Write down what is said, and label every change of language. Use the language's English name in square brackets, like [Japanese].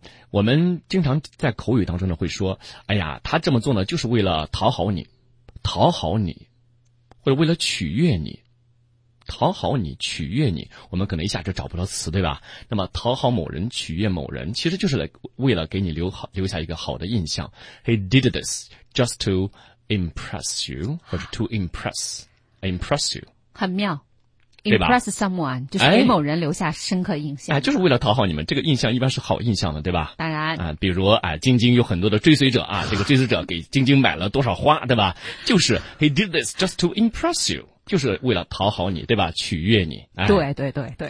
[Chinese] 我们经常在口语当中呢会说，哎呀，他这么做呢就是为了讨好你，讨好你，或者为了取悦你，讨好你，取悦你，我们可能一下就找不到词，对吧？那么讨好某人，取悦某人，其实就是为了给你留下一个好的印象。 [English] He did this just to impress you， [Chinese] 或者 [English] to impress you。 [Chinese] 很妙 ，impress someone 就是给某人留下深刻印象。哎，就是为了讨好你们，这个印象一般是好印象的，对吧？当然啊，比如啊，晶晶有很多的追随者啊，这个追随者给晶晶买了多少花，对吧？就是 [English] he did this just to impress you， [Chinese] 就是为了讨好你，对吧？取悦你。哎，对对对对，